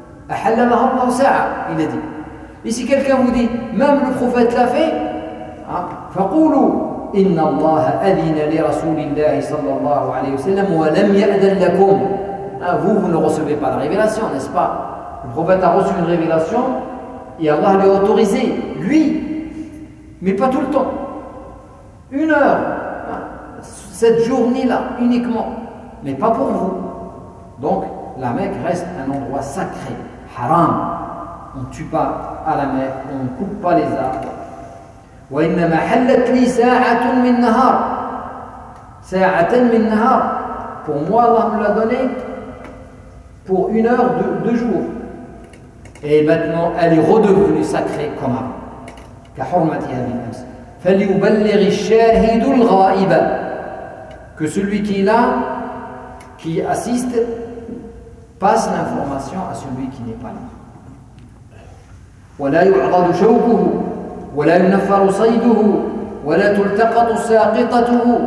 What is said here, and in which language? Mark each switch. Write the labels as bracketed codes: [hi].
[ar] أحل لها الله ساعة, [fr] il a dit. Et si quelqu'un vous dit même le prophète l'a fait, [ar] فقولوا إن الله أذن لرسول الله صلى الله عليه وسلم ولم يأذن لكم. [fr] Vous ne recevez pas la révélation, n'est-ce pas? Le prophète a reçu une révélation et Allah l'a autorisé, lui, mais pas tout le temps. Une heure, cette journée-là uniquement, mais pas pour vous. Donc, la Mecque reste un endroit sacré, haram. On ne tue pas à la mer, on ne coupe pas les arbres. [ar] وإنما حلت لي ساعة من نهار ساعة من نهار. [fr] Pour moi Allah me l'a donné pour une heure de jour. Et maintenant elle est redevenue sacrée comme avant. [ar] كحرمتها من أمس. فليبلغ الشاهد الغائب. [fr] Que celui qui est là, qui assiste, passe l'information à celui qui n'est pas là. [ar] ولا يعرض شوكه ولا ينفر صيده ولا تلتقط ساقطته.